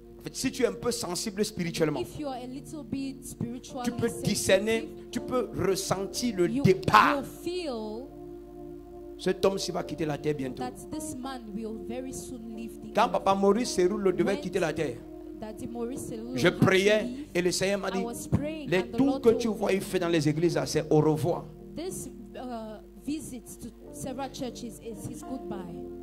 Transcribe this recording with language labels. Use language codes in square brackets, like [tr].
[fr] en fait, si tu es un peu sensible spirituellement, [en] if you are a little bit spiritually, [fr] tu peux discerner, tu peux ressentir le départ. [en] You feel [fr] cet homme s'il va quitter la terre bientôt. [en] That this man will very soon leave the [fr] quand [en] earth. [fr] Papa Maurice Serou le devait quitter la terre, je priais et le Seigneur m'a dit, les tours que tu vois il fait dans les églises, là, c'est au revoir. [en] This, visits to several churches is his goodbye.